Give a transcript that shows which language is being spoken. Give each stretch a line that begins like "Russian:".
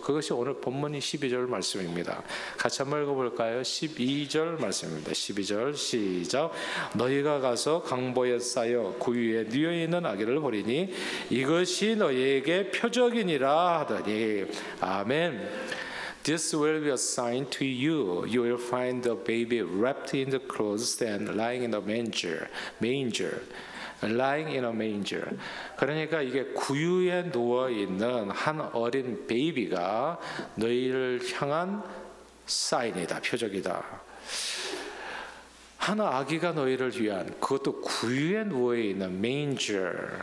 Korean: 그것이 오늘 본문이 12절 말씀입니다. 같이 한번 읽어볼까요? 12절 말씀입니다. 12절 시작. 너희가 가서 강보에 쌓여 구유에 누여있는 아기를 보리니 이것이 너희에게 표적이니라 하더니. 아멘.
English: This will be a sign to you. You will find the baby wrapped in the clothes and lying in a manger. Manger. Lying in a manger.
Korean: 그러니까 이게 구유에 누워있는 한 어린 베이비가 너희를 향한 사인이다, 표적이다. 한 아기가 너희를 위한, 그것도 구유에 누워있는 manger.